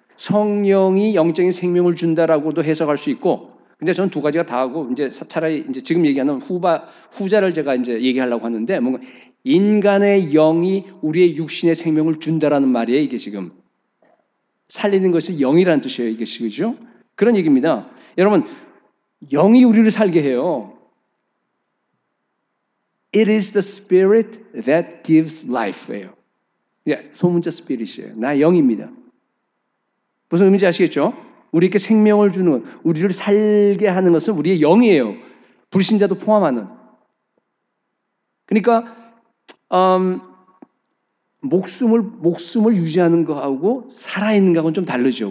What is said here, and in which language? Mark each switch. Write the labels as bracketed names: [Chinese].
[Korean] 성령이 영적인 생명을 준다라고도 해석할 수 있고, 근데 저는 두 가지가 다 하고 이제 차라리 이제 지금 얘기하는 후자를 제가 이제 얘기하려고 하는데, 뭔가 인간의 영이 우리의 육신의 생명을 준다라는 말이에요. 이게 지금 살리는 것이 영이라는 뜻이에요. 이게 그렇죠? 그런 얘기입니다. 여러분, 영이 우리를 살게 해요. [English] It is the spirit that gives life [Korean] 예요. 예, 소문자 스피릿이에요. 나 영입니다. 무슨 의미인지 아시겠죠? 우리에게 생명을 주는, 우리를 살게 하는 것은 우리의 영이에요. 불신자도 포함하는. 그러니까 목숨을 유지하는 거하고 살아있는 거하고는 좀 다르죠.